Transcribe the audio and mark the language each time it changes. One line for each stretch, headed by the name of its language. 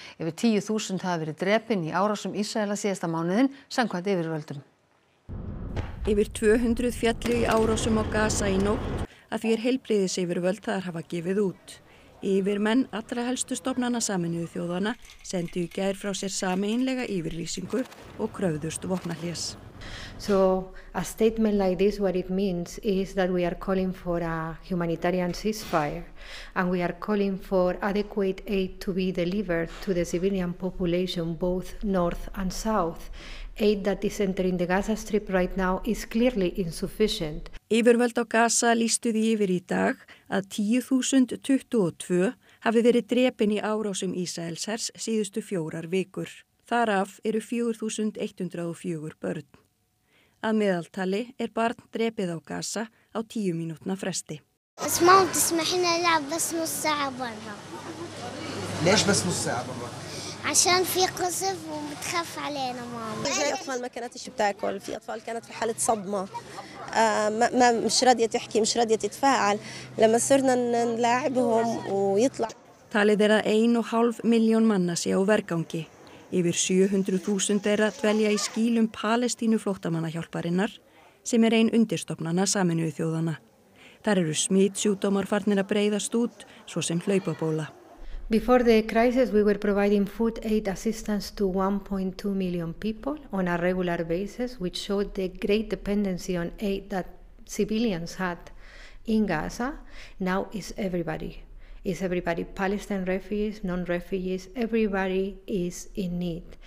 Icelandic: Yfir 10.000 hafa verið drepin í árásum Ísraela síðasta mánuðin, samkvæmt yfirvöldum. Yfir 200 féllu í árásum á Gaza í nótt, að því er heilbrigðis yfirvöld þar hafa gefið út. Yfirmenn allra helstu stofnana Sameinuðu þjóðanna sendu í gær frá sér sameiginlega yfirlýsingu og kröfðust vopnahlés.
English: So a statement like this, what it means is that we are calling for a humanitarian ceasefire and we are calling for adequate aid to be delivered to the civilian population both north and south. Aid that is entering the Gaza Strip right now is clearly insufficient.
Icelandic: Yfirvöld á Gaza lýstu því yfir í dag að 10.022 hafi verið drepin í árásum Ísraelshers síðustu fjórar vikur. Þar af eru 4.104 börn. Að meðaltali barn drepið á Gaza á 10 mínútna fresti. Talið að 1.5 milljón manna sé á vergangi. Yfir 700.000 að dvelja í skýlum Palestínu flóttamannahjálparinnar sem ein undirstofnana Sameinuðu þjóðanna. Þar eru smitsjúkdómar farnir að breiðast út, svo sem hlaupabóla.
English: Before the crisis we were providing food aid assistance to 1.2 million people on a regular basis which showed the great dependency on aid that civilians had in Gaza. Now is everybody. Is everybody Palestinian refugees, non-refugees, everybody is in need.